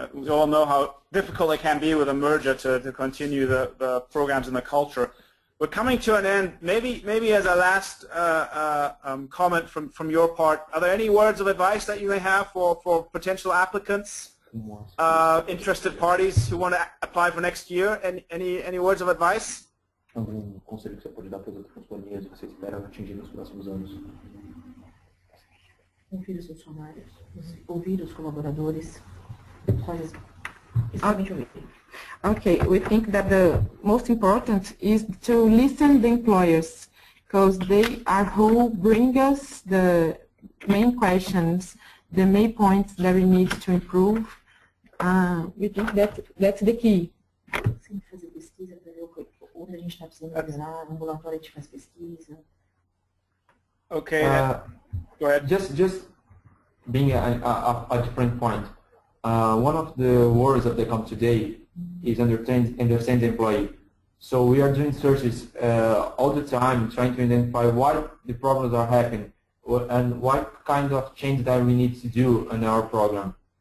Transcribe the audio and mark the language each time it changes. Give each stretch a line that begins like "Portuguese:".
English: We all know how difficult it can be with a merger to continue the programs and the culture. We're coming to an end. Maybe as a last comment from your part, are there any words of advice that you may have for potential applicants? Interested parties who want to apply for next year? Any words of advice?
Portuguese: Algum conselho que você pode dar para as outras companhias que você espera atingir nos próximos anos? Ouvir os funcionários, ouvir os colaboradores, principalmente ouvir.
English: Okay, we think that the most important is to listen to the employers, because they are who bring us the main questions, the main points that we need to improve. We think that's the key.
Portuguese: Sempre fazer pesquisa para ver onde a gente está precisando melhorar, o ambulatório a gente faz pesquisa.
English: Okay, go ahead. Just being a different point, one of the words that they come today is understand the employee. So we are doing searches all the time trying to identify what the problems are happening and what kind of change that we need to do in our program.